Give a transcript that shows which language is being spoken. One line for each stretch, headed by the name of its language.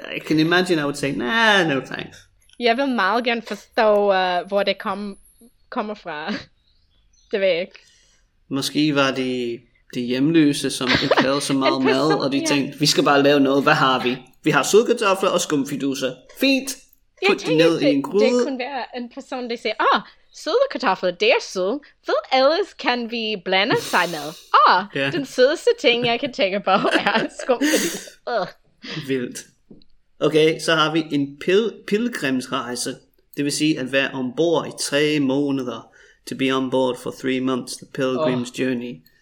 English: I can imagine, I would say, nah, no thanks.
Danish: Jeg vil meget gerne forstå, hvor det kommer fra. Det ved jeg ikke. Måske var de hjemløse, som ikke lavede så meget mad, og de tænkte, vi skal bare lave noget, hvad har vi? Vi har sødkartofler og skumfiduser. Fint! Det kunne være en person, der siger, søde kartofler, det er søde. Hvad ellers kan vi blande sig med? Den sødeste ting, jeg kan tænke på, er skumfidus. Vildt. Okay, så har vi en pilgrimsrejse. Det vil sige, at være ombord i 3 måneder.
English: To be on board for 3 months, the pilgrim's journey.